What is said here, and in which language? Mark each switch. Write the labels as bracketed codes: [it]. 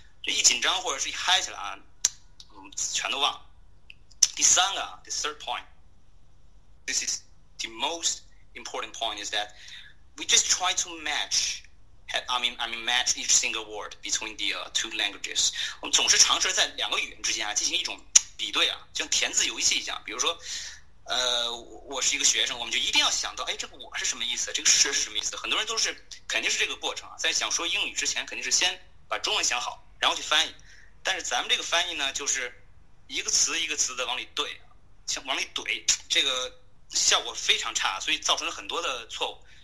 [zh] 这一紧张或者是一嗨起来啊，全都忘了。第三个啊， [en] the third point，this is the most important point is that we just try to match match each single word between the two languages。 [zh] 我们总是尝试在两个语言之间啊进行一种比对啊，就像填字游戏一样。比如说，我是一个学生，我们就一定要想到，哎，这个我是什么意思？这个是什么意思？很多人都是肯定是这个过程啊，在想说英语之前，肯定是先把中文想好。然后去翻译，但是咱们这个翻译呢，就是一个词一个词的往里怼，像往里怼，这个效果非常差，所以造成了很多的错误。